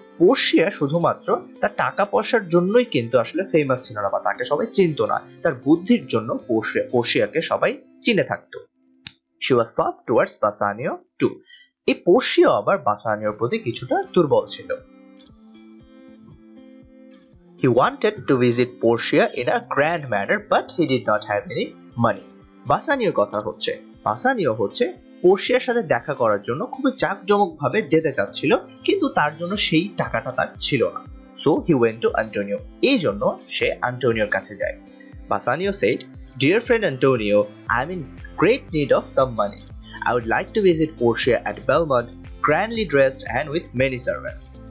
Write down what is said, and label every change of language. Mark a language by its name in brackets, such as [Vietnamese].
[Bangla] Portia শুধুমাত্র তার টাকা পয়সার জন্যই কিন্তু আসলে ফেমাস ছিল না বা তাকে সবাই চিনত না, তার বুদ্ধির জন্য পোর্শিয়াকে সবাই চিনে থাকত। [English] She was soft towards Bassanio too. [Bangla] এই পোর্শিয়া আবার বাসানিওর প্রতি কিছুটা দুর্বল ছিল। [English] He wanted to visit Portia in a grand manner but he did not have any money. [Bangla] বাসানিওর কথা হচ্ছে বাসানিও হচ্ছে পোর্শিয়ার সাথে দেখা করার জন্য খুবই চাকচমক ভাবে যেতে চাচ্ছিল কিন্তু তার জন্য সেই টাকাটা তার ছিল না। [English] so he went to Antonio, [Bangla] এই জন্য সে আন্টোনিওর কাছে যায়। [English] Bassanio said, dear friend Antonio, I am in great need of some money, I would like to visit Portia at Belmont grandly dressed and with many servants.